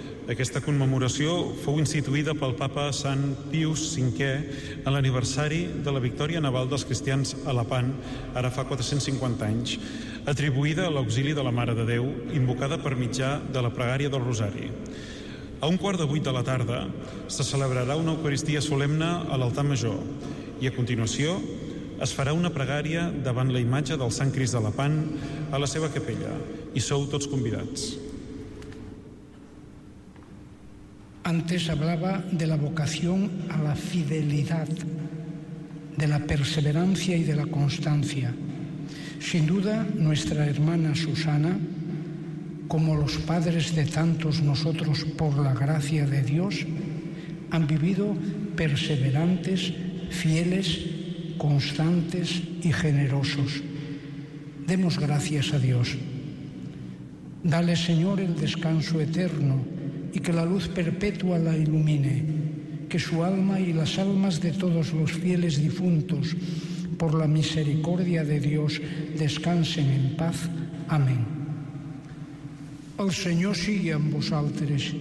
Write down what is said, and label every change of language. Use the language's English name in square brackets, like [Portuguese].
[Catalan] Aquesta commemoració fou instituïda pel papa Sant Pius V a l'aniversari de la victòria naval dels cristians a Lepant, ara fa 450 anys, atribuïda a l'auxili de la Mare de Déu, invocada per mitjà de la pregària del Rosari. A 7:15 de la tarda se celebrarà una Eucaristia solemne a l'altar major i, a continuació, es farà una pregària davant la imatge del Sant Crist de Lepant a la seva capella. I sou tots convidats. [Spanish] Antes hablaba de la vocación a la fidelidad, de la perseverancia y de la constancia. Sin duda, nuestra hermana Susana, como los padres de tantos nosotros por la gracia de Dios, han vivido perseverantes, fieles, constantes y generosos. Demos gracias a Dios. Dale, Señor, el descanso eterno y que la luz perpetua la ilumine, que su alma y las almas de todos los fieles difuntos, por la misericordia de Dios, descansen en paz. Amén. [Catalan] El Señor sigui amb vosaltres.